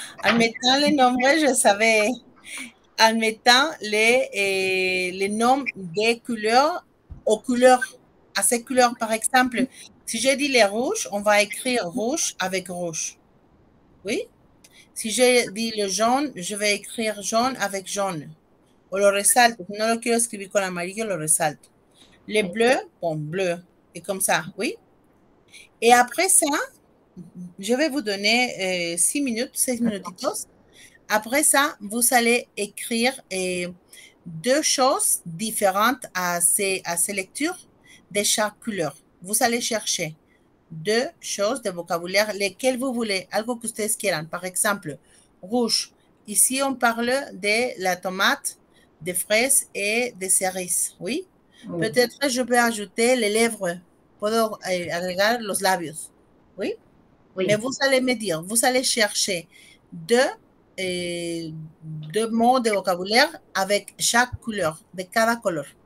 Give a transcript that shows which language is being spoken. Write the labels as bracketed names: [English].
[French] En mettant les nombres, je savais. En mettant les noms des couleurs aux couleurs. À ces couleurs, par exemple, si je dis les rouges, on va écrire rouge avec rouge. Oui? Si je dis le jaune, je vais écrire jaune avec jaune. [Spanish] Ou le resalto. No lo quiero escribir con amarillo, lo resalto. [French] Les bleus, bon, bleu. Et comme ça, oui? Et après ça, je vais vous donner 6 minutes, 6 minutitos. Après ça, vous allez écrire deux choses différentes à ces lectures. De chaque couleur. Vous allez chercher deux choses de vocabulaire, lesquelles vous voulez, [Spanish] algo que ustedes quieran. [French] Par exemple, rouge. Ici, on parle de la tomate, des fraises et des cerises. Oui? Mm. Peut-être je peux ajouter les lèvres. [Spanish] Puedo agregar los labios. [French] Oui? Oui? Mais vous allez me dire, vous allez chercher deux mots de vocabulaire avec chaque couleur, [Spanish] de cada color.